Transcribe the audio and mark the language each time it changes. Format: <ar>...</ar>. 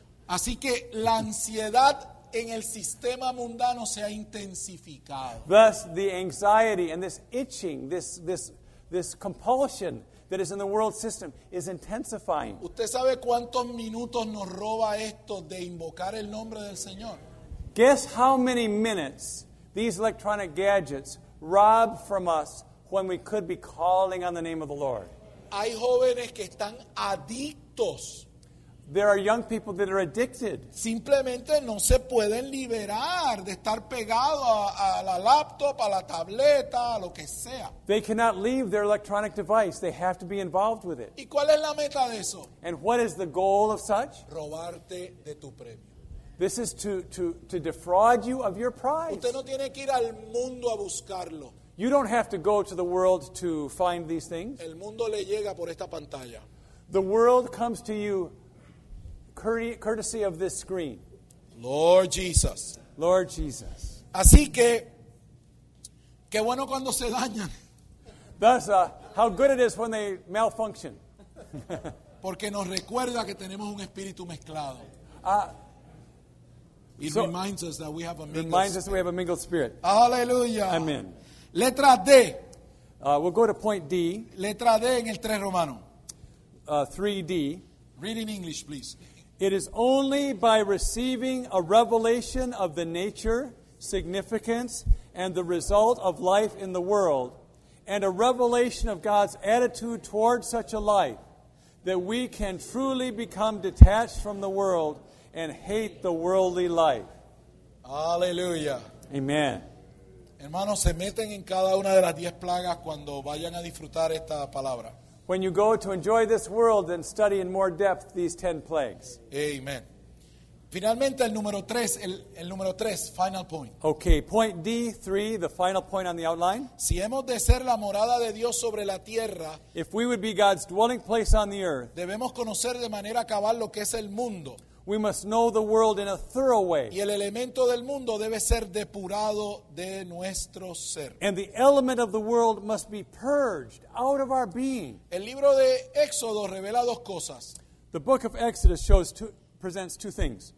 <es>Así que la ansiedad en el sistema mundano se ha intensificado.</es> <en>Thus, the anxiety and this itching, this compulsion that is in the world system is intensifying.</en> <es>¿Usted sabe cuántos minutos nos roba esto de invocar el nombre del Señor?</es> <en>Guess how many minutes these electronic gadgets rob from us when we could be calling on the name of the Lord.</en> <es>Hay jóvenes que están adictos.</es> <en>There are young people that are addicted.</en> <es>Simplemente no se pueden liberar de estar pegado a la laptop, a la tableta, a lo que sea.</es> <en>They cannot leave their electronic device. They have to be involved with it.</en> <es>¿Y cuál es la meta de eso?</es> <en>And what is the goal of such?</en> <es>Robarte de tu premio.</es> <en>This is to defraud you of your prize.</en> <es>Usted no tiene que ir al mundo a buscarlo.</es> <en>You don't have to go to the world to find these things.</en> <es>El mundo le llega por esta pantalla.</es> <en>The world comes to you courtesy of this screen. Lord Jesus. Lord Jesus.</en> <es>Así que, qué bueno cuando se dañan.</es> <en>Thus, how good it is when they malfunction.</en> <es>Porque nos recuerda que tenemos un espíritu mezclado.</es> <en>It so, reminds us that we have a mingled spirit. Reminds us that we have a mingled spirit. Hallelujah. Amen.</en> <es>Letra D.</es> <en>We'll go to point D.</en> <es>Letra D en el 3 Romano.</es> <en>3D. Read in English, please. It is only by receiving a revelation of the nature, significance, and the result of life in the world, and a revelation of God's attitude towards such a life, that we can truly become detached from the world and hate the worldly life.</en> <es>Aleluya.</es> <en>Amen.</en> <es>Hermanos, se meten en cada una de las 10 plagas cuando vayan a disfrutar esta palabra.</es> <en>When you go to enjoy this world and study in more depth these 10 plagues. Amen.</en> <es>Finalmente, el número 3, el número 3,</es> <en>final point. Okay, point D, 3, the final point on the outline.</en> <es>Si hemos de ser la morada de Dios sobre la tierra,</es> <en>if we would be God's dwelling place on the earth,</en> <es>debemos conocer de manera cabal lo que es el mundo.</es> <en>We must know the world in a thorough way.</en> <es>Y el elemento del mundo debe ser depurado de nuestro ser.</es> <en>And the element of the world must be purged out of our being.</en> <es>El libro de Éxodo revela dos cosas.</es> <en>The book of Exodus presents two things.</en>